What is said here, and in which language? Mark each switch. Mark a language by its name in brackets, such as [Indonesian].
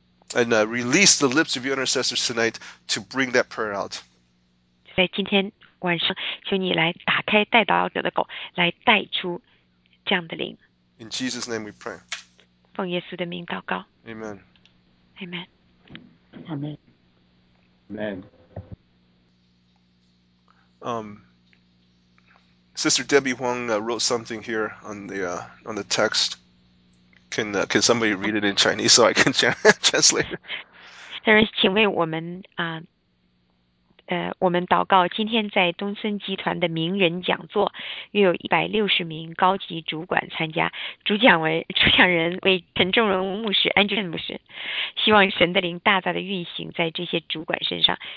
[English] And release the lips of your intercessors tonight to bring that prayer out. [Chinese] 在今天晚上，求你来打开带祷告者的口，来带出这样的灵。 [English] In Jesus' name we pray. [Chinese] 奉耶稣的名祷告。 [English] Amen. Amen. Amen. Amen. Sister Debbie Huang wrote something here on the text. Can somebody read it in Chinese so I can translate it? [Chinese] 请为我们我们祷告今天在东森集团的名人讲座，约有160名高级主管参加，主讲人为陈仲荣牧师、安俊牧师，希望神的灵大大的运行在这些主管身上。